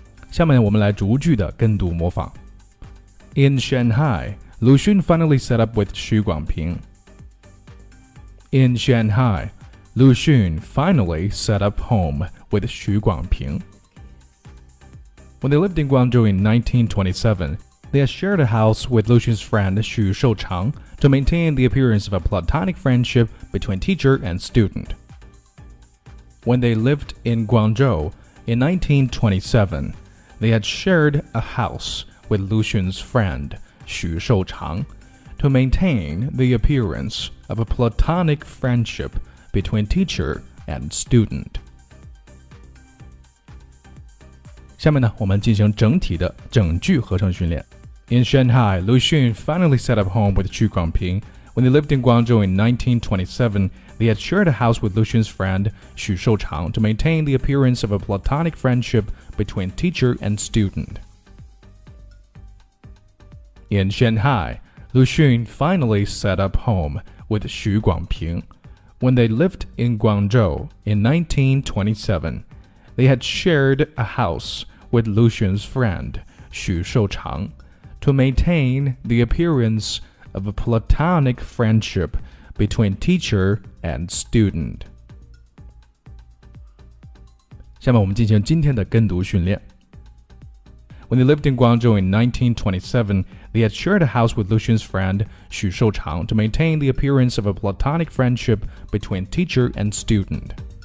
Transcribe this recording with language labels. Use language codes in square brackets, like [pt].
[zh] 下面我们来逐句的跟读模仿。 [en] In Shanghai, Lu Xun finally set up with Xu Guangping. In Shanghai, Lu Xun finally set up home with Xu Guangping. When they lived in Guangzhou in 1927,They had shared a house with Lu Xun's friend Xu Shouchang to maintain the appearance of a platonic friendship between teacher and student. When they lived in Guangzhou in 1927, they had shared a house with Lu Xun's friend Xu Shouchang to maintain the appearance of a platonic friendship between teacher and student. [zh] 下面呢，我们进行整体的整句合成训练。 [en] In Shanghai, Lu Xun finally set up home with Xu Guangping. When they lived in Guangzhou in 1927, they had shared a house with Lu Xun's friend, Xu Shouchang, to maintain the appearance of a platonic friendship between teacher and student. In Shanghai, Lu Xun finally set up home with Xu Guangping. When they lived in Guangzhou in 1927, they had shared a house with Lu Xun's friend, Xu Shouchang,to maintain the appearance of a platonic friendship between teacher and student. [zh] 下面我们进行今天的跟读训练。 [en] When they lived in Guangzhou in 1927, they had shared a house with Lu Xun's friend, Xu Shouchang, to maintain the appearance of a platonic friendship between teacher and student.